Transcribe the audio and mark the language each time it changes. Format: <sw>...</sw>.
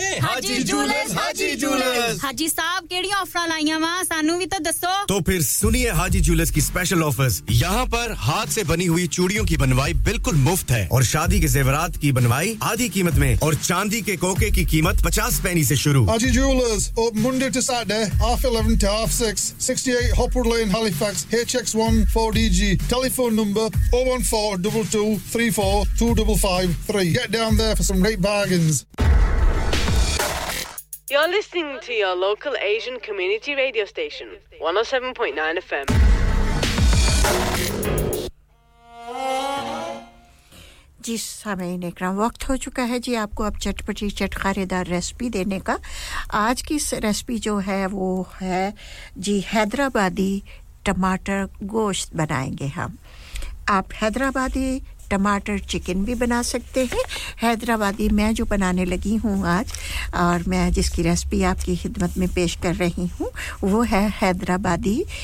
<hi>हाजी jewellers की special offers यहां पर हाथ से बनी हुई चूड़ियों की बनवाई बिल्कुल मुफ्त है और शादी के जेवरात की बनवाई आधी कीमत में और चांदी के कोके की कीमत 50 पैनी से शुरू</hi> <en>Haji jewellers open Monday to Saturday half 11 to half 6 68 Hopwood Lane Halifax HX1 4DG telephone number 01422342553 get down there for some great bargains You're listening to your local Asian community radio station, 107.9 FM.</en> <hi>जी सामने क्रम वक्त हो चुका है जी आपको अब चटपटी चटखारेदार recipe देने का आज की रेसिपी जो है वो है जी हैदराबादी टमाटर गोश्त बनाएंगे हम आप हैदराबादी टमाटर चिकन भी बना सकते हैं हैदराबादी मैं जो बनाने लगी हूं आज और मैं जिसकी रेसिपी आपकी खिदमत में पेश कर रही हूं वो है हैदराबादी</hi>